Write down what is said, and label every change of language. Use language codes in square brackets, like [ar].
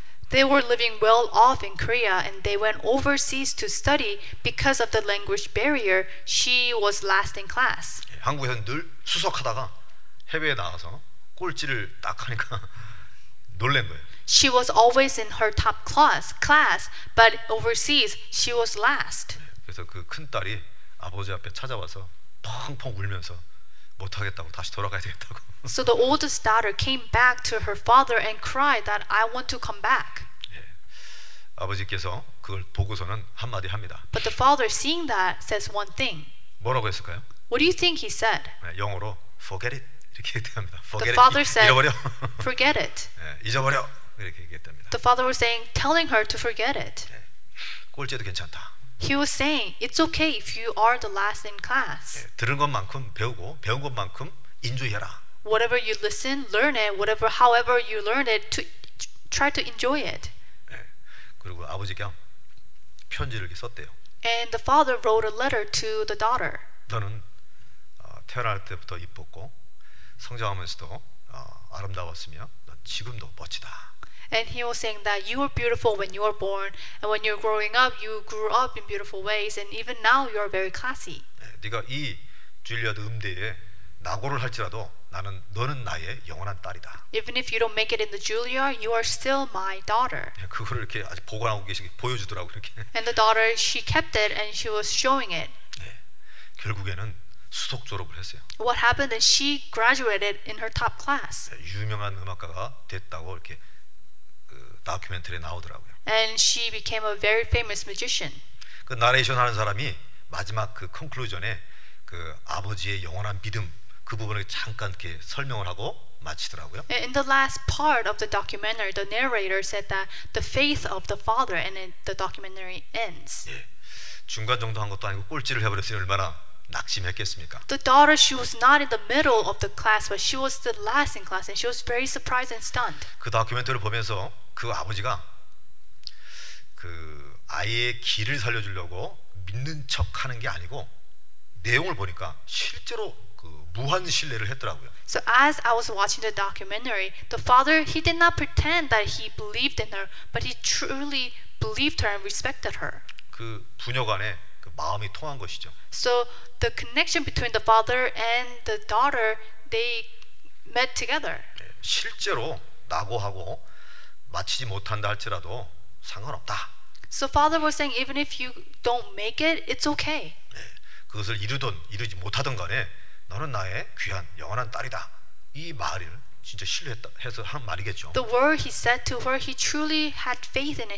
[en] They were living well off in Korea and they went overseas to study because of the language barrier. She was last in class. [ko] 한국에서는 늘 수석하다가 해외에 나가서 꼴찌를 딱 하니까 놀란 거예요. [en] She was always in her top class, but overseas she was last. [ko] 그래서 그 큰 딸이 아버지 앞에 찾아와서 펑펑 울면서 못 하겠다고 다시 돌아가야 되겠다고. [en] So the oldest daughter came back to her father and cried that I want to come back. [ko] 예. 아버지께서 그걸 보고서는 한 마디 합니다. [en] But the father seeing that says one thing. [ko] 뭐라고 했을까요? [en] What do you think he said? [ko] 예, 영어로 [en] forget it [ko] 이렇게 얘기합니다. [en] Forget the father it. Said, [ko] 잊어버려. [en] Forget it. [ko] 예, 잊어버려. 이렇게 얘기했답니다. [en] The father was saying telling her to forget it. [ko] 예. 꼴찌도 괜찮다. [en] He was saying it's okay if you are the last in class. [ko] 예, 들은 것만큼 배우고 배운 것만큼 인조해라. [en] Whatever you listen, learn it. Whatever, however you learn it, to try to enjoy it. [ko] 예, 그리고 아버지께 편지를 썼대요. [en] And the father wrote a letter to the daughter. [ko] 너는 태어날 때부터 이뻤고 성장하면서도 아름다웠으며 넌 지금도 멋지다. [en] And he was saying that you were beautiful when you were born, and when you're growing up, you grew up in beautiful ways, and even now you're very classy. [ko] 예, 네가 이 줄리아드 음대에 낙오를 할지라도 나는 너는 나의 영원한 딸이다. [en] Even if you don't make it in the Juilliard, you are still my daughter. [ko] 예, 그거를 이렇게 아직 보관하고 계시게 보여주더라고 이렇게. [en] And the daughter, she kept it, and she was showing it. [ko] 네, 예, 결국에는 수석 졸업을 했어요. [en] What happened is she graduated in her top class. [ko] 예, 유명한 음악가가 됐다고 이렇게. 다큐멘터리에 나오더라고요. [en] And she became a very famous magician. [ko] 그 나레이션 하는 사람이 마지막 그 컨클루전에 그 아버지의 영원한 믿음 그 부분을 잠깐 이렇게 설명을 하고 마치더라고요. [en] In the last part of the documentary, the narrator said that the faith of the father and the documentary ends. [ko] 예, 중간 정도 한 것도 아니고 꼴찌를 해버렸으니 얼마나 낙심했겠습니까? [en] The daughter, she was not in the middle of the class, but she was the last in class, and she was very surprised and stunned. [ko] 그 다큐멘터리를 보면서 그 아버지가 그 아이의 길을 살려주려고 믿는 척 하는 게 아니고 내용을 보니까 실제로 그 무한 신뢰를 했더라고요. [en] So as I was watching the documentary, the father he did not pretend that he believed in her, but he truly believed her and respected her. [ko] 그 부녀 간에 그 마음이 통한 것이죠. [en] So the connection between the father and the daughter they met together. [ko] 실제로 낙오하고 마치지 못한다 할지라도 상관없다. [en] So father was saying even if you don't make it, it's okay. [ko] 네, 그것을 이루든 이루지 못하든 간에 너는 나의 귀한 영원한 딸이다. 이 말을 진짜 신뢰해서 한 말이겠죠. [en] The word he said to her, he truly had faith in it.